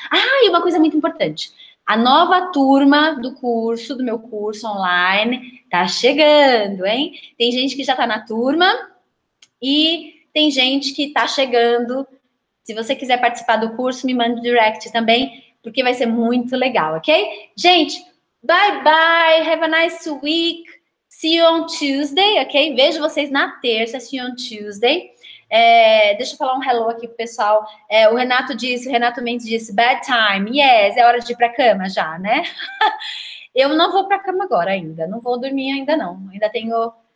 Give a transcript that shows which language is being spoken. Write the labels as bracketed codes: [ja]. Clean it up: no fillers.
[pt] Ah, e uma coisa muito importante. A nova turma do curso, do meu curso online, tá chegando, hein? Tem gente que já tá na turma e tem gente que tá chegando. Se você quiser participar do curso, me mande um direct também, porque vai ser muito legal, ok? [en] Gente, bye bye, have a nice week. See you on Tuesday, ok? [pt] Vejo vocês na terça, [en] see you on Tuesday. [pt] Deixa eu falar um [en] hello [pt] aqui pro pessoal. O Renato Mendes disse, [en] bad time. Yes, [pt] é hora de ir pra cama já, né? Eu não vou pra cama agora ainda, não vou dormir ainda não. Ainda tenho...